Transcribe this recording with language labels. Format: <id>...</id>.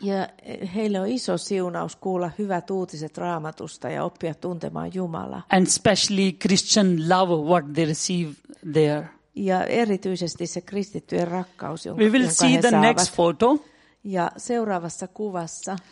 <fi>Ja heillä on iso siunaus kuulla hyvät uutiset Raamatusta ja oppia tuntemaan Jumalaa.</fi> <en>And especially Christian love, what they receive there.</en> <fi>Ja erityisesti se kristittyjen rakkaus, jonka he saavat.</fi> <en>We will see the next photo.</en> <fi>Ja seuraavassa kuvassa.</fi>